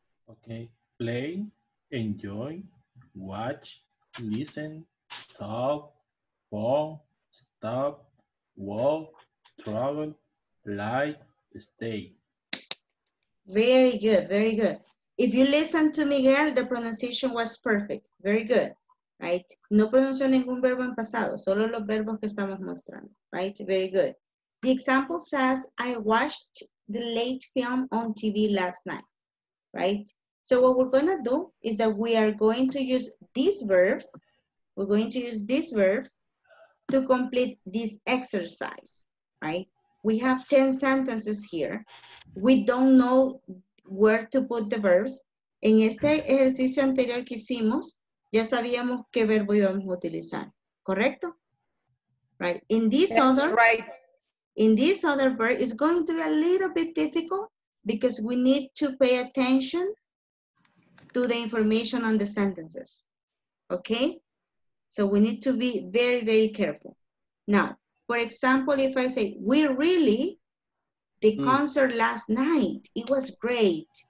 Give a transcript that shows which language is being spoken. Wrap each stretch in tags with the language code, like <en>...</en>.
<en>Okay. Play, enjoy, watch, listen, talk, fall, stop, walk, travel, lie, stay. Very good, very good. If you listen to Miguel, the pronunciation was perfect. Very good, right?</en> <es>No pronunció ningún verbo en pasado, solo los verbos que estamos mostrando, right?</es> <en>Very good. The example says, I watched the late film on TV last night, right? So what we're going to do is that we are going to use these verbs, we're going to use these verbs to complete this exercise, right? We have 10 sentences here. We don't know where to put the verbs.</en> <es>En este ejercicio anterior que hicimos, ya sabíamos qué verbo íbamos a utilizar. ¿Correcto?</es> <en>Right. In this That's other, right. In this other verb, it's going to be a little bit difficult because we need to pay attention to the information on the sentences. Okay? So we need to be very, very careful. Now, for example, if I say, we really, the concert last night, it was great.</en>